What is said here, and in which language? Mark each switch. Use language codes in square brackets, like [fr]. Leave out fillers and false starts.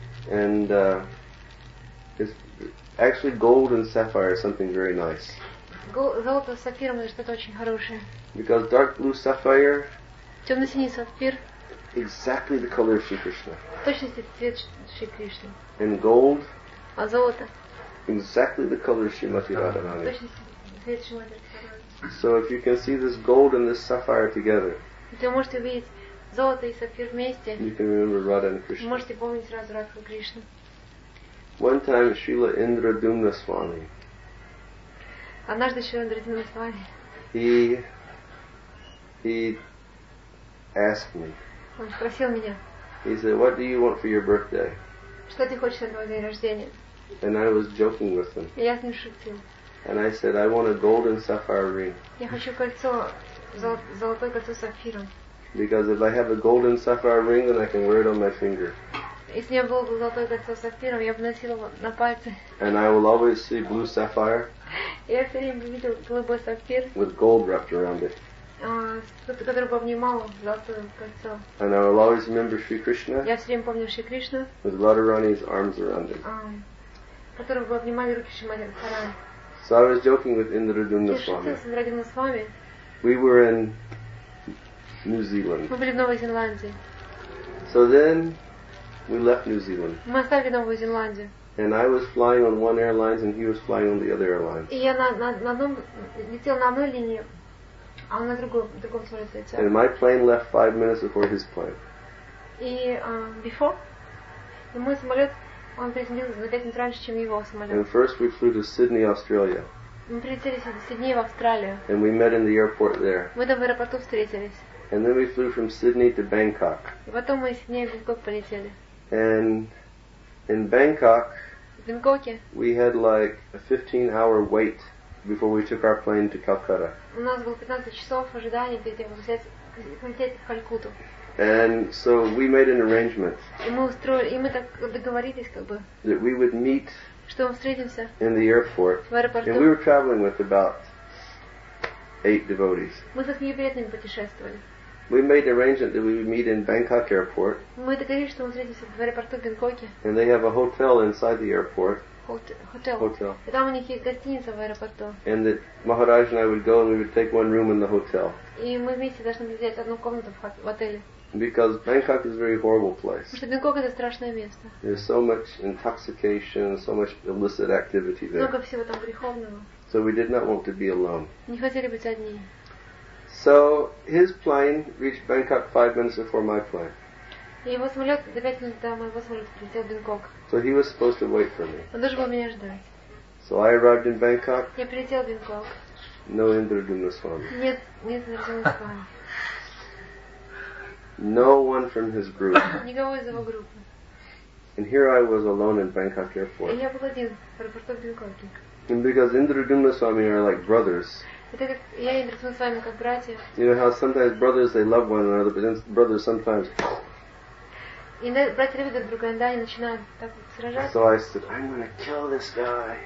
[en] And it's actually gold and sapphire is something very nice. [ru] Золото с сапфиром это что-то очень хорошее. [en] Because dark blue sapphire. [ru] Темно-синий сапфир. [en] Exactly the color of Sri Krishna. [ru] Точно цвет Шри Кришны. [en] And gold. [ru] А золото. [en] Exactly the color of Srimati Radharani. [ru] Точно цвет Шримати Радхарани. [en] So if you can see this gold and this sapphire together. [ru] Вы можете увидеть золото и сапфир вместе. [en] You can remember Radha and Krishna. [ru] Можете помнить сразу Радху и Кришну. [en] One time Srila Indra Dumna Swami. [ru] Однажды Srila Indra Dumna Swami. [en] He asked me. [ru] Он спросил меня. [en] He said, "What do you want for your birthday?" [ru] Что ты хочешь на твой день рождения? [en] And I was joking with him. [ru] Я с ним шутил. [en] And I said, "I want a gold and sapphire ring." [ru] Я хочу кольцо, золотое кольцо с сапфиром. [en] Because if I have a gold and sapphire ring, then I can wear it on my finger. [ru] Если я был бы золотой кольцо с сапфиром, я бы носил его на пальце. [en] And I will always see blue sapphire. [ru] Я все время видел голубой сапфир. [en] With gold wrapped around it. [ru] Который бы обнимал золотое кольцо. [en] And I will always remember Sri Krishna. [ru] Я все время помню Шри Кришну. [en] With Radharani's arms around it. [ru] Которого бы обнимали руки Шримати Радхарани. [en] So I was joking with Indradumna Swami. [ru] Я шутил с Индрадумна Свами. [en] We were in New Zealand. [ru] Мы были в Новой Зеландии. [en] So then. We left New Zealand. [ru] Мы оставили Новую Зеландию. [en] And I was flying on one airline, and he was flying on the other airline. [ru] И я на одном летел на одной линии, а он на другом самолете летел. [en] And my plane left 5 minutes before his plane. И before. [ru] И мой самолет он приземлился на 5 минут раньше, чем его самолет. [en] And first we flew to Sydney, Australia. [ru] Мы прилетели в Сидней, в Австралию. [en] And we met in the airport there. [ru] Мы там в аэропорту встретились. [en] And then we flew from Sydney to Bangkok. [ru] И потом мы из Сиднея в Бангкок полетели. [en] And in Bangkok, [ru] в Бангкоке, [en] we had like a 15-hour wait before we took our plane to Calcutta. [ru] У нас было 15 часов ожидания перед тем, как полететь в Калькутту. [en] And so we made an arrangement. [ru] И мы устроили, и мы так договорились, как бы. [en] That we would meet. [ru] Что мы встретимся. [en] In the airport. [ru] В аэропорту. [en] And we were traveling with about 8 devotees. [ru] Мы с такими преданными путешествовали. [en] We made an arrangement that we would meet in Bangkok airport. [ru] Мы договорились, что мы встретимся в аэропорту Бангкоке. [en] And they have a hotel inside the airport. hotel. [ru] И там у них есть гостиница в аэропорту. [en] And that Maharaj and I would go and we would take one room in the hotel. [ru] И мы вместе должны были взять одну комнату в отеле. [en] Because Bangkok is a very horrible place. [ru] Потому что Бангкок это страшное место. [en] There's so much intoxication, so much illicit activity there. [ru] Много всего там греховного. [en] So we did not want to be alone. [ru] Не хотели быть одни. [en] So his plane reached Bangkok 5 minutes before my plane. [ru] И его самолет за 5 минут до моего самолета прилетел в Бангкок. [en] So he was supposed to wait for me. [ru] Он должен был меня ждать. [en] So I arrived in Bangkok. [ru] Я прилетел в Бангкок. [en] No Indradumaswamy. [ru] Нет Индрадумаswamy. [en] No one from his group. [ru] Никого из его группы. [en] And here I was alone in Bangkok airport. [ru] И я был один в аэропорту Бангкока. [en] And because Indradumaswamy are like brothers. [ru] Это как я и Индрадумаswamy как братья. [en] You know how sometimes brothers they love one another, but then brothers sometimes. [ru] И братья любят друг друга, да, они начинают так вот сражаться. [en] So I said, I'm gonna kill this guy.